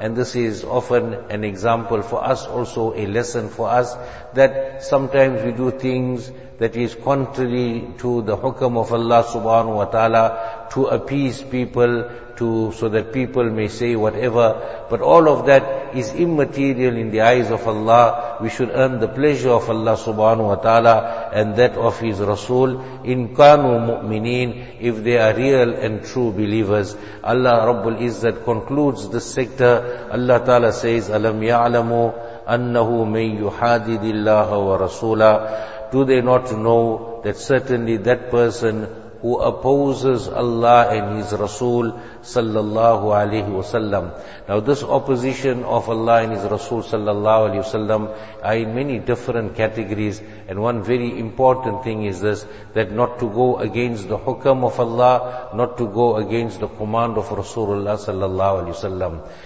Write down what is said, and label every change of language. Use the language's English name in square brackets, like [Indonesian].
[English] And this is often an example for us, also a lesson for us, that sometimes we do things that is contrary to the hukam of Allah subhanahu wa ta'ala, to appease people, to so that people may say whatever. But all of that is immaterial in the eyes of Allah. We should earn the pleasure of Allah subhanahu wa ta'ala and that of His Rasul. [Arabic] In kanu mu'mineen, [English] if they are real and true believers. Allah Rabbul Izzat concludes this sector. [Arabic] Allah ta'ala says, أَلَمْ يَعْلَمُوا أَنَّهُ مَنْ يُحَادِدِ اللَّهَ وَرَسُولًا. [English] Do they not know that certainly that person who opposes Allah and His Rasul sallallahu alayhi wa sallam. Now this opposition of Allah and His Rasul sallallahu alayhi wa sallam are in many different categories, and one very important thing is this, that not to go against the hukam of Allah, not to go against the command of Rasulullah sallallahu alayhi wa sallam.